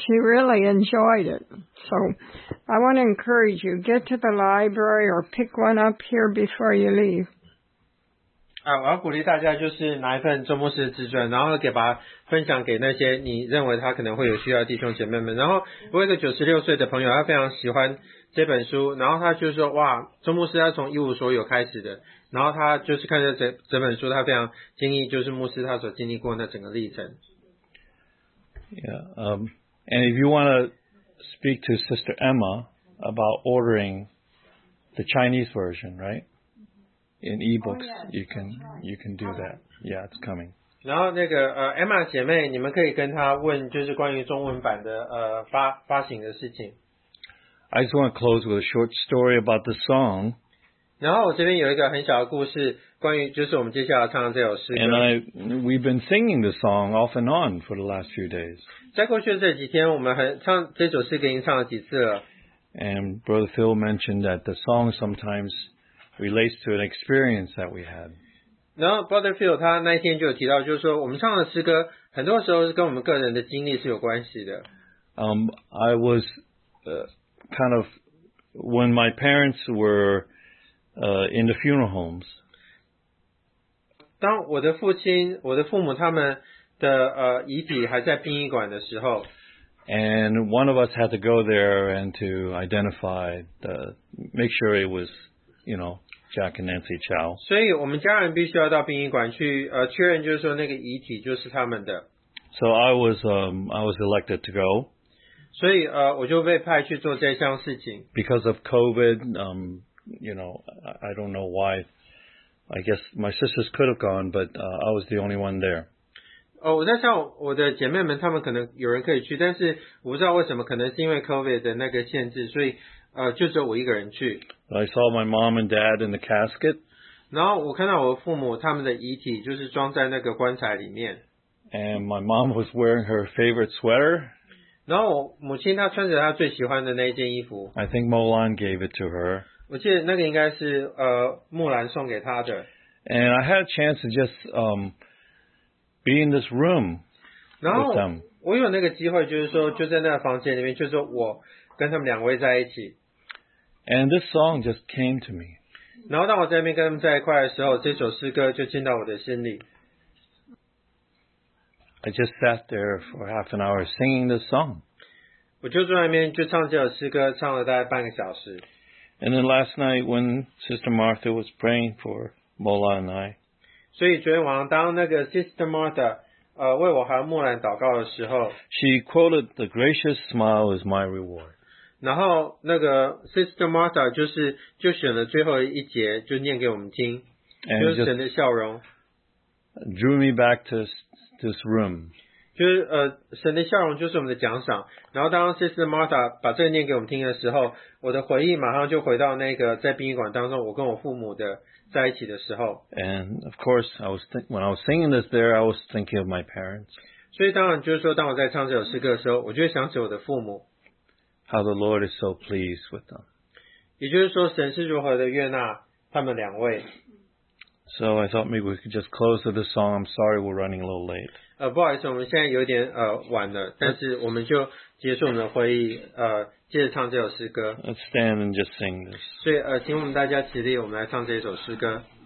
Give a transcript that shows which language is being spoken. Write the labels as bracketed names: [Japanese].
[English] She really enjoyed it. So I want to encourage you get to the library or pick one up here before you leave. [Chinese] 我要鼓励大家就是拿一份周牧师的自传，然后给把它分享给那些你认为他可能会有需要的弟兄姐妹们。然后我有一个96岁的朋友，他非常喜欢这本书，然后他就说哇，周牧师他从一无所有开始的，然后他就是看着 整本书，他非常经历就是牧师他所经历过的整个历程。 [English] And if you want to speak to Sister Emma about ordering the Chinese version, right? In e-books, you can do that. Yeah, it's coming. [Chinese] 然后那个Emma 姐妹，你们可以跟她问，就是关于中文版的发行的事情。 [English] I just want to close with a short story about the song. [Chinese] 然后我这边有一个很小的故事，关于就是我们接下来唱的这首诗歌。 [English] And we've been singing the song off and on for the last few days. [Chinese] 在过去这几天，我们很唱这首诗歌已经唱了几次了。 [English] And Brother Phil mentioned that the song sometimes relates to an experience that we had. [Chinese] 然后 Brother Phil 他那一天就有提到，就是说我们唱的诗歌很多时候是跟我们个人的经历是有关系的。 [English] I was kind of when my parents were in the funeral homes. [Chinese] 当我的父亲、我的父母他们的遗体还在殡仪馆的时候。 [English] And one of us had to go there and to identify the, make sure it was, you know, Jack and Nancy Chow. [Chinese] 所以我们家人必须要到殡仪馆去确认，就是说那个遗体就是他们的。 [English] So I was elected to go. [Chinese] 所以我就被派去做这项事情。 [English] Because of COVID, you know, I don't know why. I guess my sisters could have gone, but I was the only one there. [Chinese] 我在想我的姐妹们，她们可能有人可以去，但是我不知道为什么，可能是因为 COVID 的那个限制，所以就只有我一个人去。 [English] I saw my mom and dad in the casket. [Chinese] 然后我看到我父母他们的遗体，就是装在那个棺材里面。 [English] And my mom was wearing her favorite sweater. [Chinese] 然后我母亲她穿着她最喜欢的那一件衣服。 [English] I think Molan gave it to her. [Chinese] 我记得那个应该是木兰送给她的。 [English] And I had a chance to just be in this room with them. [Chinese] 我有那个机会，就是说，就在那个房间里面，就是我跟他们两位在一起。 [English] And this song just came to me. [Chinese] 然后当我在那边跟他们在一块的时候，这首诗歌就进到我的心里。 [English] I just sat there for half an hour singing this song. [Chinese] 我就坐在那边就唱这首诗歌，唱了大概半个小时。 [English] And then last night when Sister Martha was praying for Mola and I. [Chinese] 所以昨天晚上当那个 Sister Martha 为我和木兰祷告的时候， [English] She quoted the gracious smile is my reward. [Chinese] 然后那个 Sister Martha 就选了最后一节就念给我们听，就是神的笑容 [English] drew me back to this room. [Chinese] 就是神的笑容就是我们的奖赏。然后当 Sister Martha 把这个念给我们听的时候，我的回忆马上就回到那个在殡仪馆当中我跟我父母的在一起的时候。 [English] And of course, when I was singing this there, I was thinking of my parents. [Chinese] 所以当然就是说，当我在唱这首诗歌的时候，我就会想起我的父母。 [English] How the Lord is so pleased with them. [Chinese] 也就是说，神是如何的悦纳他们两位。 [English] So I thought maybe we could just close with the song. I'm sorry we're running a little late. [Chinese] 不好意思，我们现在有点晚了，但是我们就结束我们的会议，接着唱这首诗歌。 [English] Let's stand and just sing this. [Chinese] 所以，请我们大家起立，我们来唱这首诗歌。